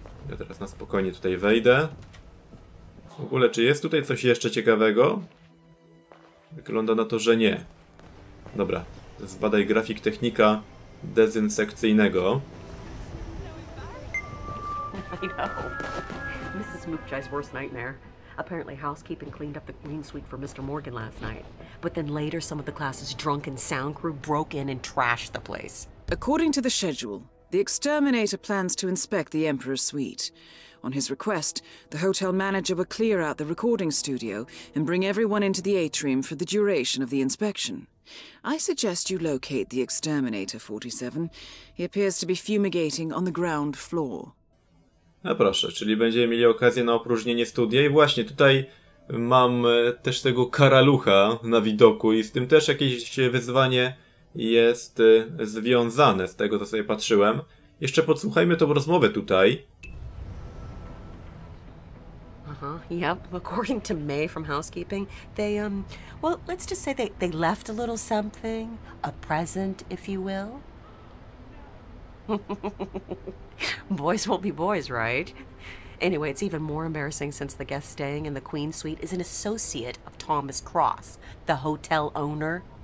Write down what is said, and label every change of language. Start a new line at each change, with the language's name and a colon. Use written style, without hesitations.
Polish: Ja teraz na spokojnie tutaj wejdę. W ogóle, czy jest tutaj coś jeszcze ciekawego? Wygląda na to, że nie. Dobra. Zbadaj grafik technika dezynsekcyjnego.
English: Mrs. Mookjai's worst nightmare. Apparently housekeeping cleaned up the green suite for Mr. Morgan last night. But then later some of the class's drunken sound crew broke in and trashed the place. According to the schedule, the exterminator plans to inspect the Emperor's suite. On his request, the hotel manager will clear out the recording studio and bring everyone into the atrium for the duration of the inspection. I suggest you locate the exterminator 47. He appears to be fumigating on the ground floor.
Polish: No proszę, czyli będziemy mieli okazję na opróżnienie studia i właśnie tutaj mam też tego karalucha na widoku i z tym też jakieś wyzwanie jest związane z tego, co sobie patrzyłem. Jeszcze podsłuchajmy tą rozmowę tutaj.
English: Yep, according to May from housekeeping, they well, let's just say they left a little something, a present if you will. Boys won't be boys, right? Anyway, it's even more embarrassing since the guest staying in the Queen Suite is an associate of Thomas Cross, the hotel owner.